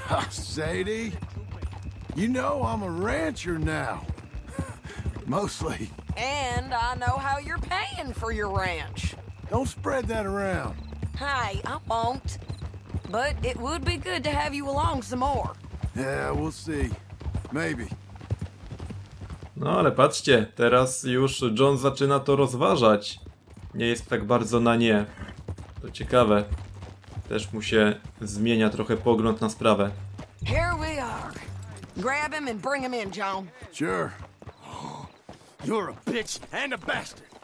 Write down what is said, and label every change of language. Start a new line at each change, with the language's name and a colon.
English: Sadie, you know I'm a rancher now. Mostly. And I know how you're paying for your ranch. Don't spread that around. Hey, I won't. But it would be good to have you along some more. Yeah, we'll see. Maybe.
Polish: No ale patrzcie, teraz już John zaczyna to rozważać. Nie jest tak bardzo na nie. To ciekawe. Też mu się zmienia trochę pogląd na sprawę.
English: Here we are. Grab him and bring him in, John. Sure. You're a bitch and a bastard.